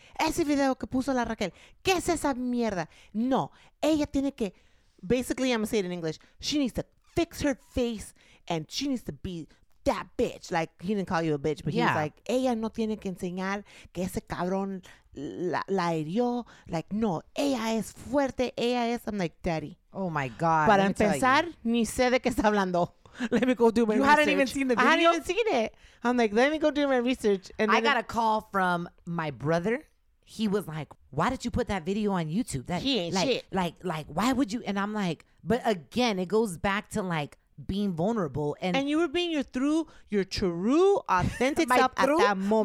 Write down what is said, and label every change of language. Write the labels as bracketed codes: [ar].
[es] ese video que puso la Raquel, ¿qué es esa mierda? No, ella tiene que, [en] basically, I'm going to say it in English, she needs to fix her face and she needs to be that bitch. Like, he didn't call you a bitch, but yeah. He's like, [es] ella no tiene que enseñar que ese cabrón la hirió. Like, no, ella es fuerte, ella es, [en] I'm like, daddy. Oh my God. [es] Para empezar, ni sé de qué está hablando. [en] Let me go do my research. You hadn't even seen the video? I hadn't even seen it. I'm like, let me go do my research. And then I got a call from my brother. He was like, why did you put that video on YouTube? That, he ain't like, shit. Like, why would you? And I'm like, but again, it goes back to like being vulnerable. And you were being your true authentic self through, at that moment.